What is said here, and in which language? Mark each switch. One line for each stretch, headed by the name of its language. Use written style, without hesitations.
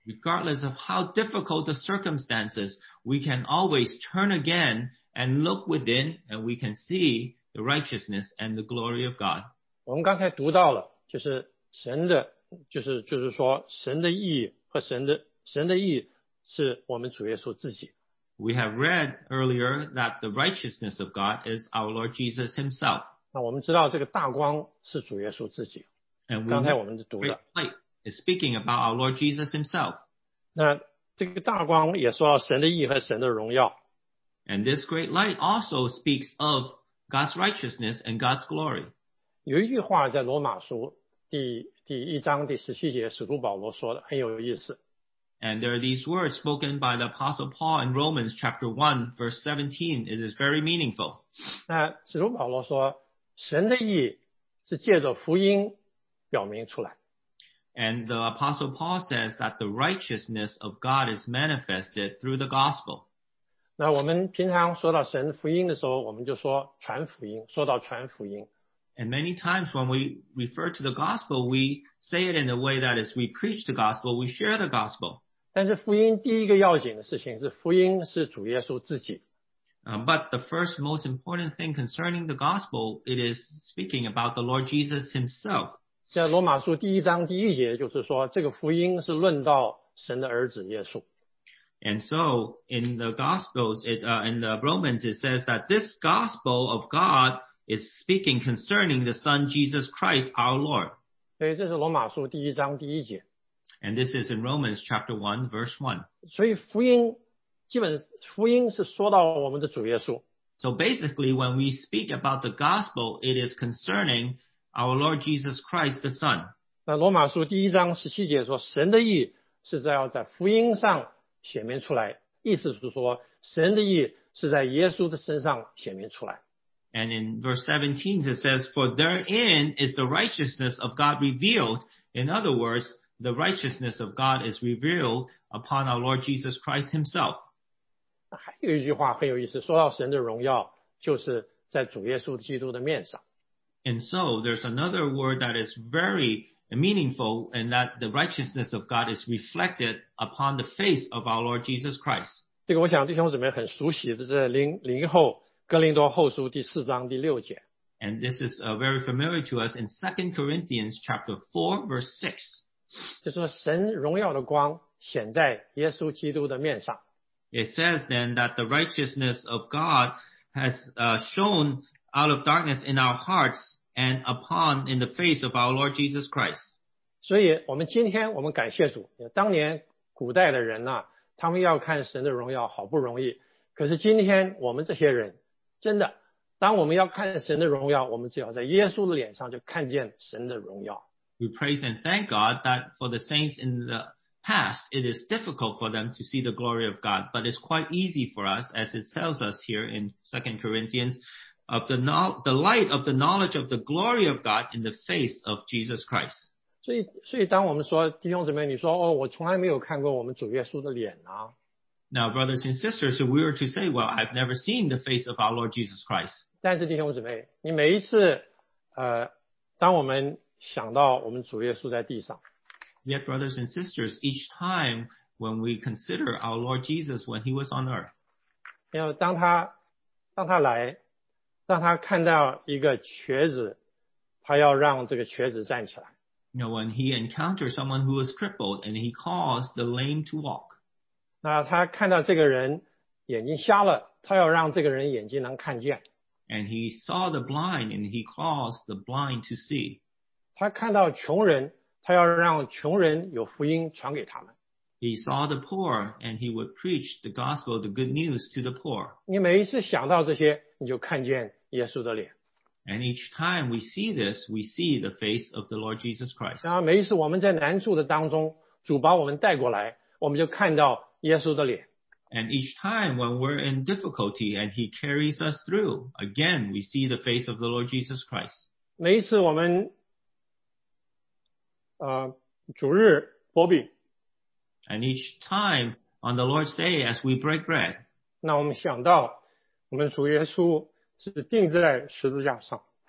English: Regardless of how difficult the circumstances, we can always turn again and look within and we can see the righteousness and the glory of God.
Chinese: 我们刚才读到了，就是神的，就是说神的义和神的义是我们主耶稣自己。
English: We have read earlier that the righteousness of God is our Lord Jesus Himself.
Chinese: 那我们知道这个大光是主耶稣自己。
English: And we
Chinese: 刚才我们读的
English: great light is speaking about our Lord Jesus Himself.
Chinese: 那这个大光也说到神的义和神的荣耀。
English: And this great light also speaks of God's righteousness and God's glory.
Chinese: 有一句话在罗马书第一章第十七节，使徒保罗说的很有意思。
English: And there are these words spoken by the Apostle Paul in Romans chapter 1, verse 17. It is very meaningful.
Chinese: 那使徒保罗说，神的义是借着福音表明出来。
English: And the Apostle Paul says that the righteousness of God is manifested through the gospel.
Chinese: 那我们平常说到神福音的时候，我们就说传福音，说到传福音。
English: And many times when we refer to the gospel, we say it in a way that is we preach the gospel, we share the gospel.
Chinese: 但是福音第一个要紧的事情是福音是主耶稣自己。
English: But the first most important thing concerning the gospel, it is speaking about the Lord Jesus himself.
Chinese: 在罗马书第一章第一节就是说这个福音是论到神的儿子耶稣。
English: And so in the gospels, in the Romans, it says that this gospel of God is speaking concerning the Son Jesus Christ, our Lord.
Chinese: 所以这是罗马书第一章第一节。
English: And this is in Romans chapter 1, verse 1.
Chinese: 所以福音是说到我们的主耶稣。
English: So basically, when we speak about the gospel, it is concerning our Lord Jesus Christ, the Son.
Chinese: 那罗马书第一章十七节说，神的义是要在福音上显明出来，意思是说，神的义是在耶稣的身上显明出来。
English: And in verse 17, it says, For therein is the righteousness of God revealed. In other words, the righteousness of God is revealed upon our Lord Jesus Christ himself.
Chinese: 还有一句话很有意思，说到神的荣耀，就是在主耶稣基督的面上。
English: And so, there's another word that is very meaningful, and that the righteousness of God is reflected upon the face of our Lord Jesus Christ.
Chinese: 这个我想弟兄姊妹很熟悉的，这零后哥林多后书第四章第六节。
English: And this is very familiar to us in 2 Corinthians chapter 4, verse 6.
Chinese: 就说神荣耀的光显在耶稣基督的面上。
English: It says then that the righteousness of God has shone out of darkness in our hearts and upon in the face of our Lord Jesus Christ.
Chinese: 所以我们今天我们感谢主，当年古代的人啊，他们要看神的荣耀好不容易，可是今天我们这些人真的，当我们要看神的荣耀，我们只要在耶稣的脸上就看见神的荣耀。
English: We praise and thank God that for the saints in the past, it is difficult for them to see the glory of God, but it's quite easy for us, as it tells us here in 2 Corinthians, of the light of the knowledge of the glory of God in the face of Jesus Christ.
Chinese: 所以当我们说，弟兄姊妹，你说，哦，我从来没有看过我们主耶稣的脸啊。
English: Now, brothers and sisters, if we were to say, well, I've never seen the face of our Lord Jesus Christ.
Chinese: 但是弟兄姊妹，你每一次，当我们想到我们主耶稣在地上。
English: Yet, brothers and sisters, each time when we consider our Lord Jesus when he was on earth.
Chinese: 因为当他来，让他看到一个瘸子，他要让这个瘸子站起来。
English: You know, when he encountered someone who was crippled and he caused the lame to walk.
Chinese: 那他看到这个人眼睛瞎了，他要让这个人眼睛能看见。
English: And he saw the blind and he caused the blind to see.
Chinese: 他看到穷人，他要让穷人有福音传给他们。
English: He saw the poor and he would preach the gospel, the good news to the poor.
Chinese: 你每一次想到这些，你就看见耶稣的脸。
English: And each time we see this, we see the face of the Lord Jesus Christ.
Chinese: 然后每一次我们在难处的当中，主把我们带过来，我们就看到耶稣的脸。
English: And each time when we're in difficulty and he carries us through, again we see the face of the Lord Jesus Christ.
Chinese: 每一次我们主日薄饼。
English: And each time on the Lord's Day as we break bread.
Chinese: 那我们想到我们主耶稣是钉在十字架上。